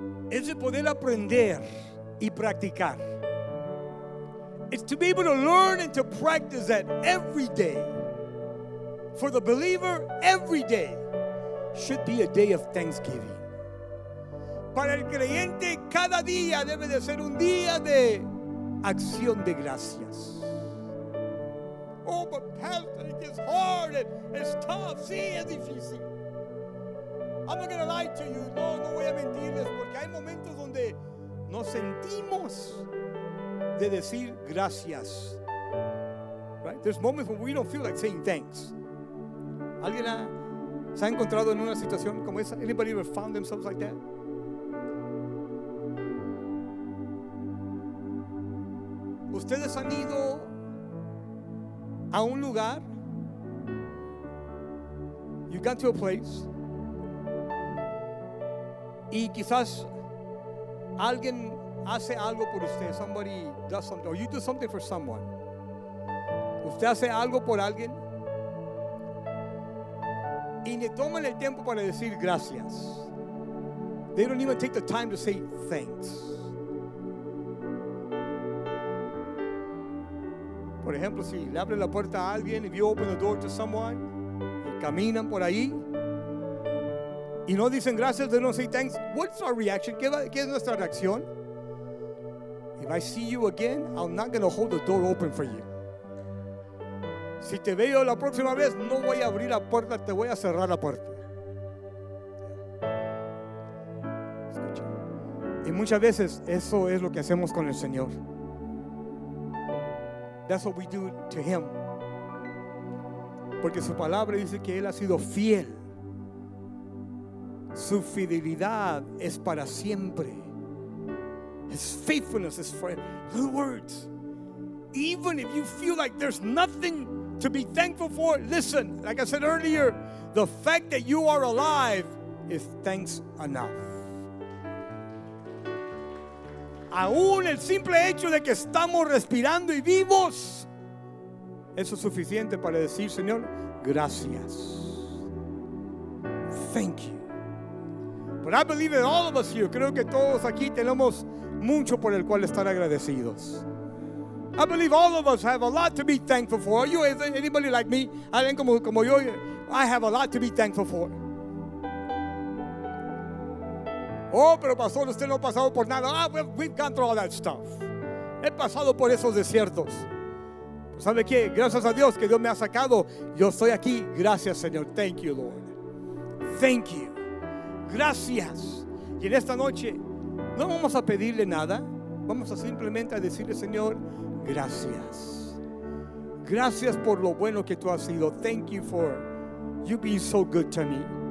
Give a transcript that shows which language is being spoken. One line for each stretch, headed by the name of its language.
Spanish: Es de poder aprender y practicar.
English: It's to be able to learn and to practice that every day. For the believer, every day should be a day of thanksgiving.
Spanish: Para el creyente, cada día debe de ser un día de acción de gracias.
English: Oh, but pastor, it is hard and it's tough.
Spanish: Sí, es difícil.
English: I'm not going to lie to you.
Spanish: No, no voy a mentirles, porque hay momentos donde nos sentimos de decir gracias.
English: Right? There's moments when we don't feel like saying thanks.
Spanish: ¿Alguien se ha encontrado en una situación como esa?
English: Anybody ever found themselves like that?
Spanish: ¿Ustedes han ido a un lugar?
English: You got to a place.
Spanish: Y quizás alguien hace algo por usted.
English: Somebody does something. Or you do something for someone.
Spanish: Usted hace algo por alguien. Y le toman el tiempo para decir gracias.
English: They don't even take the time to say thanks.
Spanish: Por ejemplo, si le abren la puerta a alguien,
English: if you open the door to someone,
Spanish: y caminan por ahí, y no dicen gracias,
English: they don't say thanks, what's our reaction?
Spanish: ¿Qué es nuestra reacción?
English: If I see you again, I'm not going to hold the door open for you.
Spanish: Si te veo la próxima vez, no voy a abrir la puerta, te voy a cerrar la puerta. Escucha. Y muchas veces, eso es lo que hacemos con el Señor.
English: That's what we do to him.
Spanish: Porque su palabra dice que él ha sido fiel. Su fidelidad es para siempre.
English: His faithfulness is forever. Little words. Even if you feel like there's nothing to be thankful for, listen, like I said earlier, the fact that you are alive is thanks enough.
Spanish: Aún el simple hecho de que estamos respirando y vivos, eso es suficiente para decir, Señor, gracias.
English: Thank you. But I believe in all of us here.
Spanish: Creo que todos aquí tenemos mucho por el cual estar agradecidos.
English: I believe all of us have a lot to be thankful for. Are you, is anybody like me?
Spanish: Alguien como yo,
English: I have a lot to be thankful for.
Spanish: Oh, pero pastor, usted no ha pasado por nada.
English: Ah, we've gone through all that stuff.
Spanish: He pasado por esos desiertos. ¿Sabe qué? Gracias a Dios que Dios me ha sacado. Yo estoy aquí. Gracias, Señor.
English: Thank you, Lord. Thank you.
Spanish: Gracias. Y en esta noche no vamos a pedirle nada. Vamos a simplemente a decirle, Señor, gracias. Gracias por lo bueno que tú has sido.
English: Thank you for you being so good to me.